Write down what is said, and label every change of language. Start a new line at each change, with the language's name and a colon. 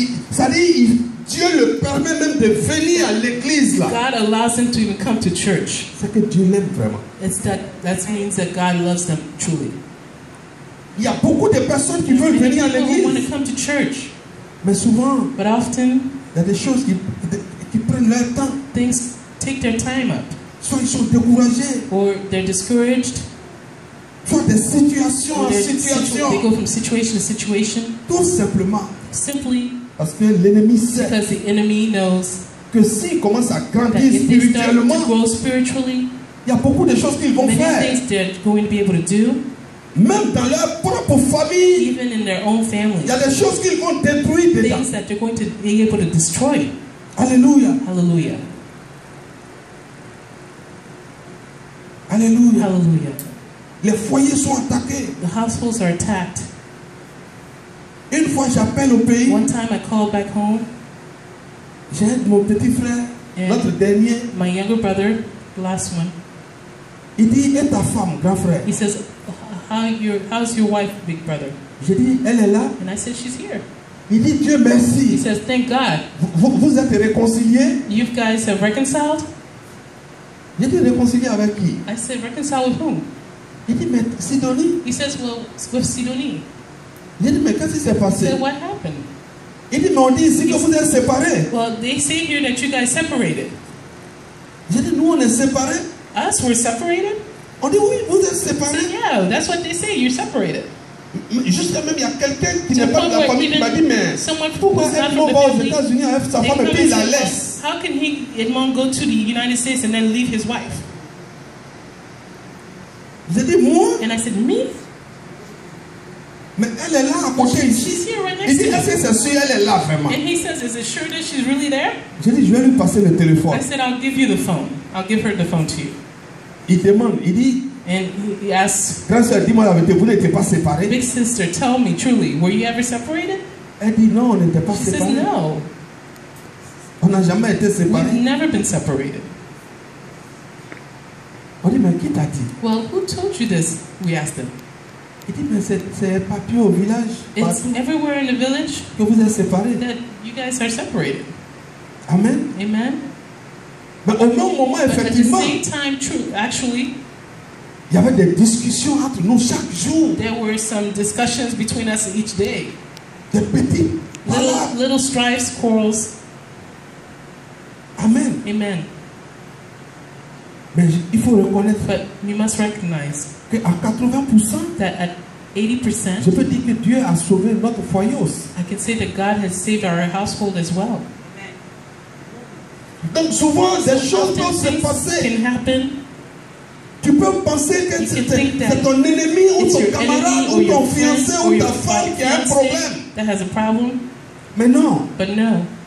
French: c'est-à-dire Dieu le permet même de venir à l'église là.
English: God allows him to even come to church.
French: C'est que Dieu l'aime vraiment.
English: It's that that means that God loves them truly.
French: Il y a beaucoup de personnes qui veulent venir à l'église.
English: Want to come to church.
French: Mais souvent,
English: but often,
French: il y a des choses qui prennent leur temps.
English: Things take their time up.
French: Soit ils sont découragés.
English: Or they're discouraged.
French: Situation.
English: They go from situation to situation.
French: Tout simplement.
English: Simply.
French: Parce que l'ennemi sait.
English: Because the enemy knows.
French: Que si commence à grandir spirituellement,
English: grow spiritually,
French: il y a beaucoup de choses qu'ils vont
English: many
French: faire.
English: Things they're going to be able to do.
French: Même dans leur propre famille.
English: Even in their own families.
French: Il y a des choses qu'ils vont détruire.
English: Things
French: dedans.
English: That they're going to be able to destroy. Alléluia. Alléluia. Alléluia. Alléluia.
French: Les foyers sont attaqués.
English: The households are attacked.
French: Une fois j'appelle au pays.
English: One time I called back home.
French: J'ai mon petit frère,
English: and
French: notre dernier.
English: My younger brother, the last one.
French: Il dit, et ta femme, grand frère.
English: He says, how's your wife, big brother?
French: Je dis, elle est là.
English: And I said, she's here.
French: Il dit, Dieu merci.
English: He says, thank God.
French: Vous êtes réconciliés?
English: You guys have reconciled?
French: Je dis, réconcilié avec qui?
English: I said, reconciled with whom?
French: Il dit, mais Sidonie.
English: He says, well, with Sidonie.
French: Il dit, mais qu'est-ce qui s'est passé?
English: He said, what happened?
French: Il dit, mais on dit ici que vous êtes séparés.
English: Well, they say here that you guys separated.
French: Il dit, nous, on est séparés.
English: Us, we're separated?
French: On dit, oui, vous êtes séparés.
English: He said, yeah, that's what they say, you're separated.
French: Jusqu'à même, il y a quelqu'un qui n'est pas de la famille qui m'a dit, mais
English: someone
French: pourquoi est-ce qu'il va aux États-Unis avec sa femme et puis il la laisse?
English: How can he, Edmond, go to the United States and then leave his wife?
French: J'ai dit, moi?
English: And I said, me?
French: Mais elle est là à côté ici.
English: She's here right next to me.
French: C'est sûr, elle est là vraiment.
English: And he says, is it sure that she's really there?
French: J'ai dit, je vais lui passer le téléphone.
English: I said, I'll give you the phone. I'll give her the phone to you.
French: Il demande, il dit,
English: and he asks,
French: grand soeur, dis-moi la vérité, vous n'étiez pas séparés?
English: Big sister, tell me truly, were you ever separated?
French: Elle dit, non, on n'était pas
English: she
French: séparés.
English: She says, no.
French: On n'a jamais été séparés.
English: We've never been separated.
French: On dit, mais qui t'a dit?
English: Well, who told you this? We asked them.
French: Il dit, mais c'est papier au village.
English: It's everywhere in the village.
French: Que vous êtes séparés.
English: That you guys are separated. Amen. Amen.
French: Mais au même moment, effectivement.
English: At the same time, true, actually.
French: Il y avait des discussions entre nous chaque jour.
English: There were some discussions between us each day.
French: Des petits.
English: Little strifes, quarrels. Amen. Amen.
French: Mais il faut reconnaître,
English: but we must recognize,
French: que à 80%,
English: that at 80%,
French: je peux dire que Dieu a sauvé notre foyer aussi.
English: I can say that God has saved our household as well. Amen.
French: Donc souvent, so des choses peuvent se passer.
English: Can happen.
French: Tu peux penser que c'est ton ennemi ou ton camarade ou ton fiancé ou ta femme qui a un problème.
English: That has a problem.
French: Mais non.
English: But no.